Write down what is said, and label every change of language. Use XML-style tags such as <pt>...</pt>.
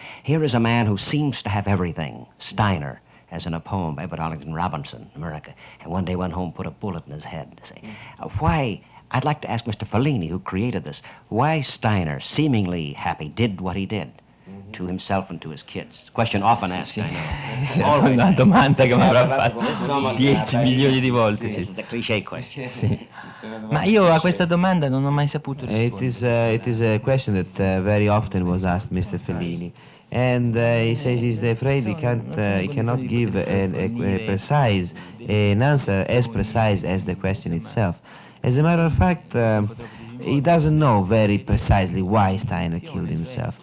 <en>Here is a man who seems to have everything, Steiner, as in a poem by Edward Arlington Robinson, America, and one day went home, put a bullet in his head. Say, why, I'd like to ask Mr. Fellini, who created this, why Steiner, seemingly happy, did what he did to himself and to his kids? Question often asked, sì, I know.</en> <it>Una domanda che mi avrà fatto 10 milioni di volte.</it> <en>This is the cliché question.</en> <it>Sì. Ma io a questa domanda non ho mai saputo rispondere.</it> <en>It is a question that very often was asked Mr. Fellini. And he says he's afraid he cannot give an answer as precise as the question itself. As a matter of fact, He doesn't know very precisely why Steiner killed himself.</en>